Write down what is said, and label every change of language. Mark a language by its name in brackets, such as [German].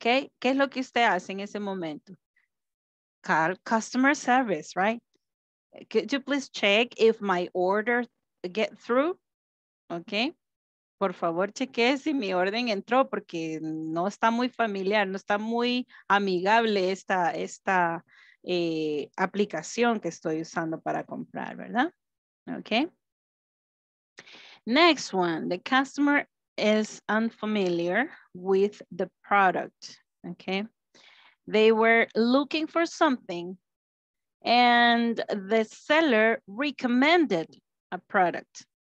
[Spanish] ¿Qué es lo que usted hace en ese momento? [English] Call customer service, right? Could you please check if my order get through? ¿Ok? [Spanish] Por favor, cheque si mi orden entró porque no está muy familiar, no está muy amigable esta aplicación que estoy usando para comprar, ¿verdad? [English] Okay. Next one, the customer is unfamiliar with the product. Okay. They were looking for something and the seller recommended a product.